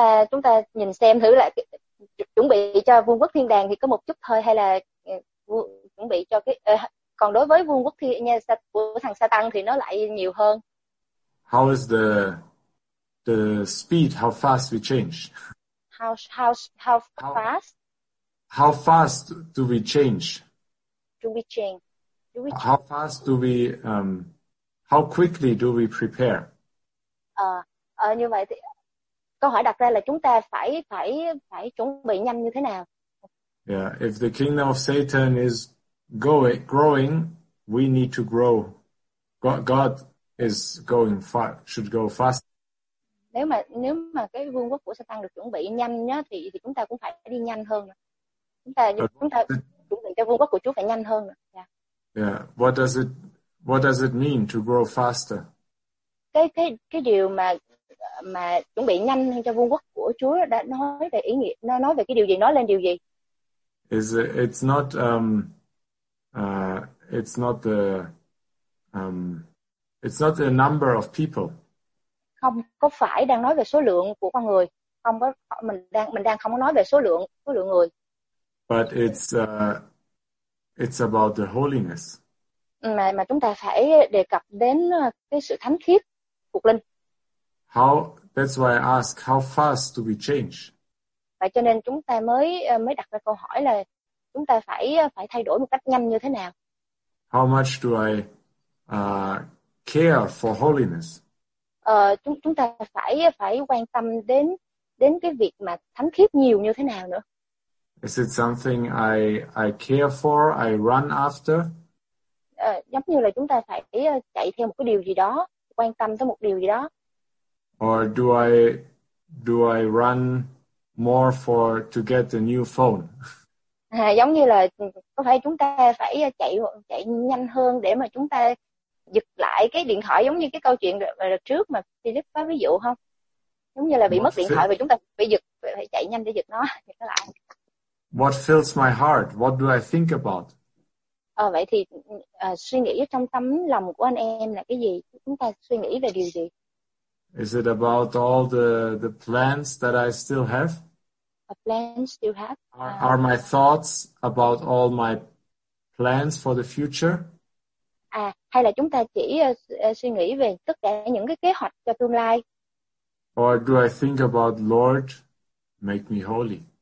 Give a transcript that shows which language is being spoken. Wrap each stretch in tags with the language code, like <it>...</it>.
<vi>Chúng ta nhìn xem thử lại chuẩn bị cho vương quốc thiên đàng thì có một chút thôi, hay là bị cho cái còn đối với vương quốc thiên nhà của thằng Satan thì nó lại nhiều hơn.</vi> <en>How is the speed, how fast we change? How fast? How fast do we change? Do we change? Do we change? How fast do we how quickly do we prepare?</en> <vi>Như vậy thì câu hỏi đặt ra là chúng ta phải chuẩn bị nhanh như thế nào?</vi> <en>Yeah, if the kingdom of Satan is growing, we need to grow. God is going fast, should go fast.</en> <vi>Nếu mà cái vương quốc của Satan được chuẩn bị nhanh nhá, thì chúng ta cũng phải đi nhanh hơn. Chúng ta chuẩn bị cho vương quốc của Chúa phải nhanh hơn.</vi> <en>Yeah, what does it mean to grow faster?</en> <vi>Cái điều mà chuẩn bị nhanh cho vương quốc của Chúa đã nói về ý nghĩa, nó nói về cái điều gì, nói lên điều gì?</vi> <en>It's not the number of people.</en> <vi>Không có phải đang nói về số lượng của con người, không có, mình đang không có nói về số lượng người.</vi> <en>But it's about the holiness.</en> <vi>Mà chúng ta phải đề cập đến cái sự thánh khiết của linh.</vi> <en>That's why I ask how fast do we change?</en> <vi>Vậy cho nên chúng ta mới đặt ra câu hỏi là chúng ta phải thay đổi một cách nhanh như thế nào?</vi> <en>How much do I care for holiness?</en> <vi>Chúng ta phải quan tâm đến cái việc mà thánh khiết nhiều như thế nào nữa?</vi> <en>Is it something I care for, I run after?</en> <vi>Giống như là chúng ta phải chạy theo một cái điều gì đó, quan tâm tới một điều gì đó.</vi> <en>Or do I run more for to get the new phone?</en> <vi>Giống như là có phải chúng ta phải chạy nhanh hơn để mà chúng ta giật lại cái điện thoại, giống như cái câu chuyện trước mà Philip có ví dụ không? Giống như là bị mất điện thoại và chúng ta phải giật, phải chạy nhanh để giật nó lại.</vi> <en>What fills my heart? What do I think about?</en> <vi>Vậy thì suy nghĩ trong tâm lòng của anh em là cái gì? Chúng ta suy nghĩ về điều gì?</vi> <en>Is it about all the plans that I still have? A plans you have? Are my thoughts about all my plans for the future?</en> <vi>Hay là chúng ta chỉ suy nghĩ về tất cả những cái kế hoạch cho tương lai?</vi> <en>Or do I think about Lord, make me holy?</en>